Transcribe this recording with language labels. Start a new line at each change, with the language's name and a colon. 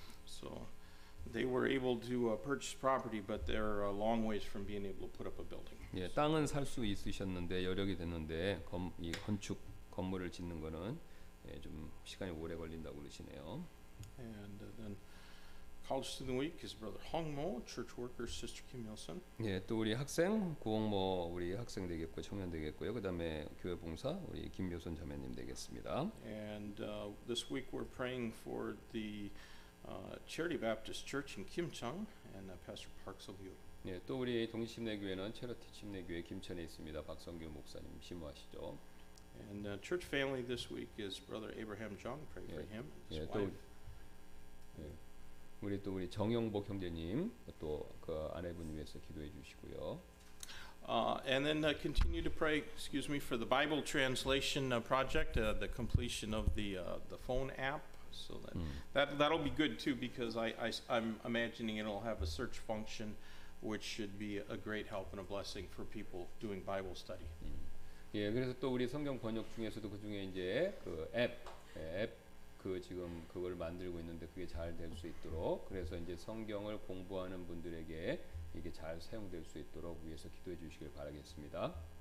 English: So they were able to purchase property, but they're a long ways from being able to put up a building.
Korean: 예, 땅은 살 수 있으셨는데 여력이 됐는데 이 건축 건물을 짓는 거는 예, 좀 시간이 오래 걸린다고 그러시네요.
English: And then college student of the week is Brother Hong Mo, church worker Sister Kim Yilson.
Korean: 예, 또 우리 학생 구홍모 우리 학생 되겠고 청년 되겠고요. 그다음에 교회 봉사 우리 김묘선 자매님 되겠습니다.
English: And this week we're praying for the Charity Baptist Church in Kimchang and Pastor Park Seol-gyu.
Korean: 예, 또 우리 동심내 교회는 체러티 침내 교회 김천에 있습니다. 박성규 목사님 심호하시죠.
English: And church family this week is Brother Abraham Jung. Pray for him and his wife.
Korean: 우리 또 우리 정영복 형제님 또 그 아내분 위해서 기도해 주시고요.
English: And then continue to pray, excuse me, for the Bible translation project, the completion of the phone app. So that'll be good too, because I'm imagining it'll have a search function, which should be a great help and a blessing for people doing Bible study.
Korean: 예, 그래서 또 우리 성경 번역 중에서도 그 중에 이제 그 앱, 그 지금 그걸 만들고 있는데 그게 잘 될 수 있도록 그래서 이제 성경을 공부하는 분들에게 이게 잘 사용될 수 있도록 위해서 기도해 주시길 바라겠습니다.